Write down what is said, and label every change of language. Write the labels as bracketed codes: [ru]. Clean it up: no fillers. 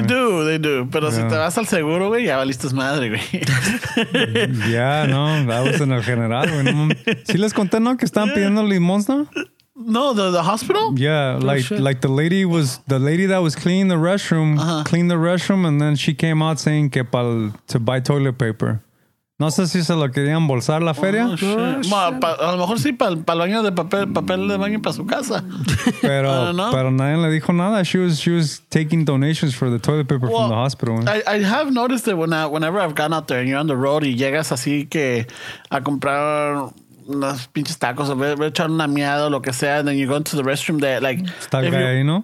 [en] They do. [es] Pero yeah. Si te vas al seguro, güey, ya valiste madre, güey. [en] Yeah, no, that was in [es] el general, güey. No, sí les conté, ¿no? Que estaban pidiendo limones, ¿no? [en] No, the hospital? Yeah, the lady that was cleaning the restroom, cleaned the restroom, and then she came out saying que to buy toilet paper. [es] No sé si se lo querían embolsar la feria. [en] Oh, shit. [es] A lo mejor sí, para el baño de papel de baño para su casa. Pero nadie le dijo nada. [en] She was taking donations for the toilet paper from the hospital. I have noticed that whenever I've gone out there and you're on the road [es] y llegas así que a comprar unas pinches tacos o voy a echar una miada o lo que sea, [en] and then you go into the restroom that like [es] está ahí, you, ¿no?